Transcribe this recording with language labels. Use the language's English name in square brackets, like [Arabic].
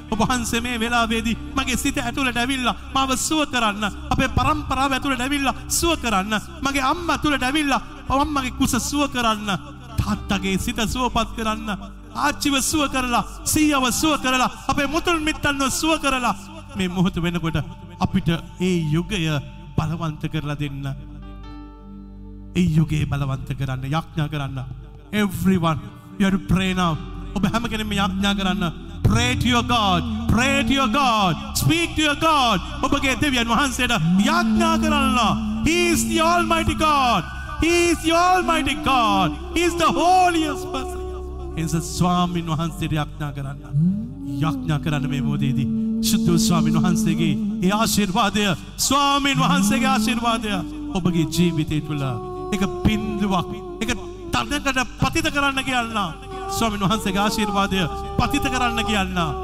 [Sinhala] ඔබ වහන්සේ මේ වෙලාවේදී මගේ සිත ඇතුළට ඇවිල්ලා මාව සුව කරන්න, අපේ પરම්පරාව ඇතුළට ඇවිල්ලා සුව කරන්න, මගේ අම්මා ඇතුළට ඇවිල්ලා අම්මගේ කුස සුව කරන්න, තාත්තගේ සිත සුවපත් කරන්න, ආච්චිව සුව කරලා, සීයව සුව කරලා, අපේ මුතුන් මිත්තන්ව සුව කරලා, මේ මොහොත වෙනකොට අපිට ඒ යුගය බලවන්ත කරලා දෙන්න. ඒ යුගය බලවන්ත කරන්න යඥා කරන්න. [English] Everyone, you have to pray now. [Sinhala] ඔබ හැම කෙනෙක්ම යඥා කරන්න. [English] Pray to your God. Pray to your God. Speak to your God. [Sinhala] ඔබගේ දෙවියන් වහන්සේට යඥා කරන්න. [English] He is the Almighty God. He is the Almighty God. He is the holiest person. [Sinhala] එහෙනම් ස්වාමීන් වහන්සේට යඥා කරන්න. යඥා කරන්න මේ මොහොතේදී. සුද්ධ ස්වාමීන් වහන්සේගේ ඒ ආශිර්වාදය, ස්වාමීන් වහන්සේගේ ආශිර්වාදය ඔබගේ ජීවිතය තුළ එක බිඳුවක්, එක තනකට පතිත කරන්න කියන්න. ස්වාමීන් වහන්සේගේ ආශිර්වාදය පතිත කරන්න කියන්න.